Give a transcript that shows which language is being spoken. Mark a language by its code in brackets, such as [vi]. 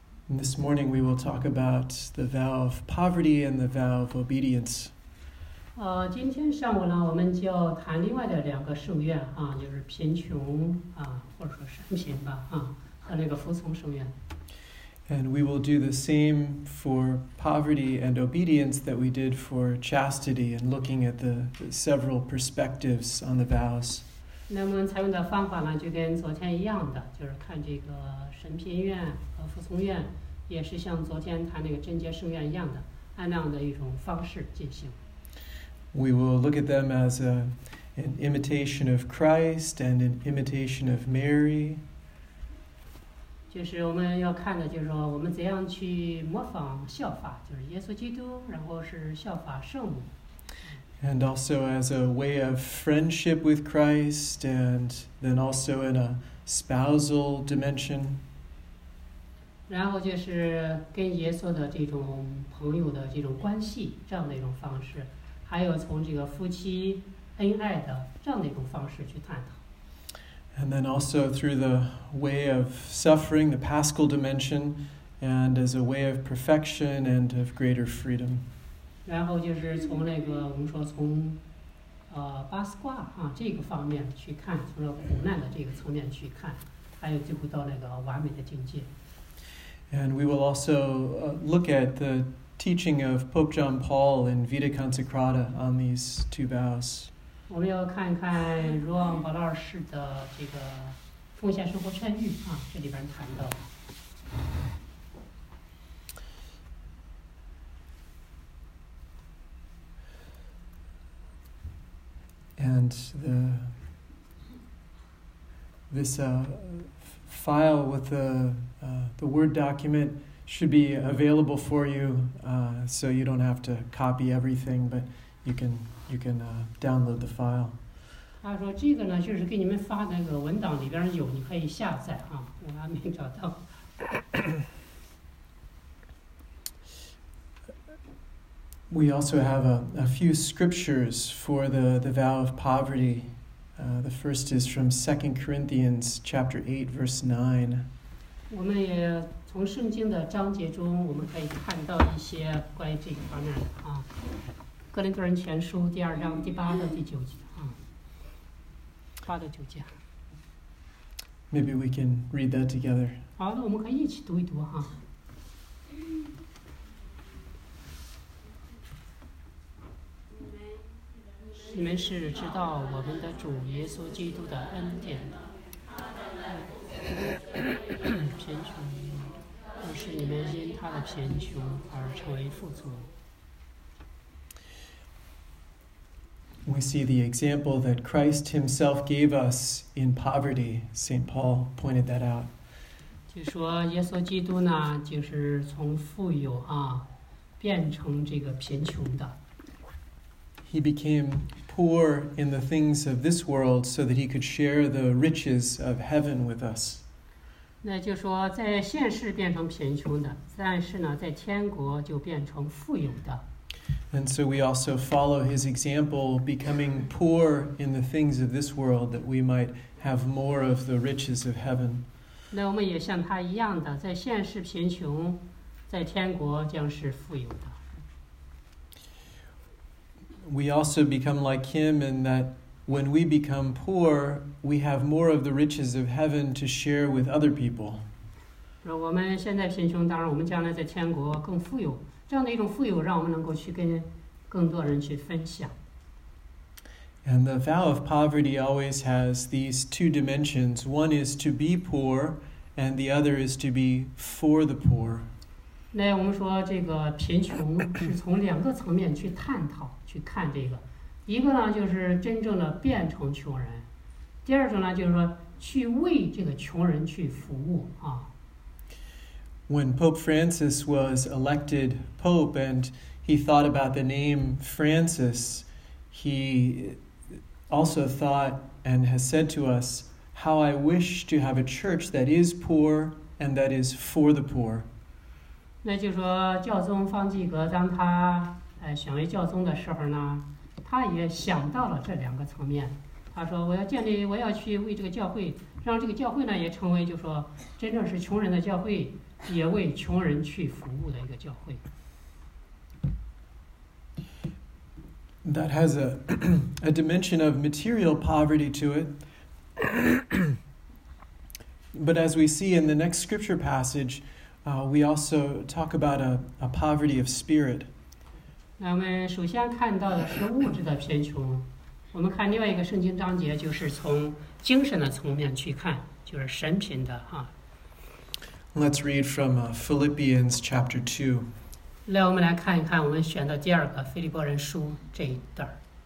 [en] This morning we will talk about the vow of poverty and the vow of obedience. [zh] 今天上午呢，我们就谈另外的两个圣愿啊，就是贫穷啊，或者说善贫吧啊，和那个服从圣愿。 [en] And we will do the same for poverty and obedience that we did for chastity, and looking at the several perspectives on the vows. [zh] 那么采用的方法呢，就跟昨天一样的，就是看这个神贫愿和服从愿。也是像昨天他那个贞洁圣愿一样的，按那样的一种方式进行。 [en] We will look at them as an imitation of Christ and an imitation of Mary. [zh] 就是我们要看的，就是说我们怎样去模仿效法，就是耶稣基督，然后是效法圣母。 [en] And also as a way of friendship with Christ, and then also in a spousal dimension. [zh] 然后就是跟耶稣的这种朋友的这种关系，这样的一种方式，还有从这个夫妻恩爱的这样的一种方式去探讨。 [en] And then also through the way of suffering, the paschal dimension, and as a way of perfection and of greater freedom. [zh] 然后就是从那个我们说从，八思挂啊这个方面去看，从苦难的这个层面去看，还有最后到那个完美的境界。 [en] And we will also look at the teaching of Pope John Paul in Vita Consecrata on these two vows. [zh] 我们要看看若望保罗二世的这个奉献生活劝谕啊，这里边谈到。 [en] And the this file with the Word document should be available for you, so you don't have to copy everything, but you can download the file. [zh] 他说这个呢，就是给你们发那个文档里边有，你可以下载啊，我还没找到。 [en] We also have a few scriptures for the vow of poverty. The first is from 2 Corinthians chapter 8, verse 9. [zh] 我们也从圣经的章节中，我们可以看到一些关于这个方面的啊，《哥林多人前书》第二章第八到第九节啊，八到九节。 [en] Maybe we can read that together. [zh] 好的，我们可以一起读一读哈。你们是知道我们的主耶稣基督的恩典的。贫穷，不是你们因他的贫穷而成为富足。 [en] We see the example that Christ Himself gave us in poverty. Saint Paul pointed that out. [zh] 就说耶稣基督呢，就是从富有啊，变成这个贫穷的。 [en] He became poor in the things of this world so that he could share the riches of heaven with us. [zh] 那就说在现世变成贫穷的，但是呢在天国就变成富有的。 [en] And so we also follow his example, becoming poor in the things of this world that we might have more of the riches of heaven. [zh] 那我们也像他一样的，在现世贫穷，在天国将是富有的。 [en] We also become like him in that when we become poor, we have more of the riches of heaven to share with other people. [zh] 我们现在贫穷，当然我们将来在天国更富有，这样的一种富有让我们能够去跟更多人去分享。 [en] And the vow of poverty always has these two dimensions. One is to be poor, and the other is to be for the poor. [zh] 那我们说这个贫穷是从两个层面去探讨、去看这个。一个呢，就是真正的变成穷人；第二种呢，就是说去为这个穷人去服务啊。 [en] When Pope Francis was elected Pope and he thought about the name Francis, he also thought and has said to us, how I wish to have a church that is poor and that is for the poor. [zh] 那就说教宗方济各当他选为教宗的时候呢，他也想到了这两个层面。他说我要去为这个教会，让这个教会呢也成为就说真正是穷人的教会，也为穷人去服务的一个教会。 [en] That has a dimension of material poverty to it. But as we see in the next scripture passage, we also talk about a poverty of spirit. [zh] 那我们首先看到的是物质的贫穷，我们看另外一个圣经章节，就是从精神的层面去看，就是神贫的啊。 [en] Let's read from Philippians chapter 2. [zh] 来，我们来看一看我们选的第二个《腓立比人书》这一段儿。